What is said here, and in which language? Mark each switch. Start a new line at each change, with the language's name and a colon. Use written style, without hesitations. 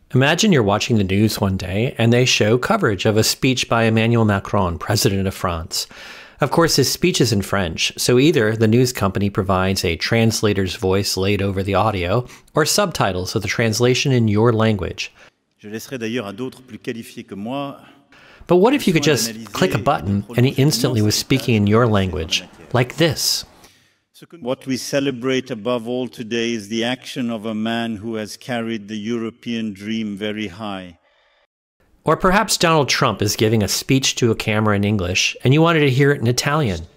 English: Imagine you're watching the news one day and they show coverage of a speech by Emmanuel Macron, president of France. Of course, his speech is in French, so either the news company provides a translator's voice laid over the audio or subtitles of the translation in your language.
French: Je laisserai d'ailleurs à d'autres plus qualifiés que moi.
English: But what if you could just click a button and he instantly was speaking in your language, like this? What we celebrate above all today is the action of a man who has carried the European dream very high. Or perhaps Donald Trump is giving a speech to a camera in English and you wanted to hear it in Italian.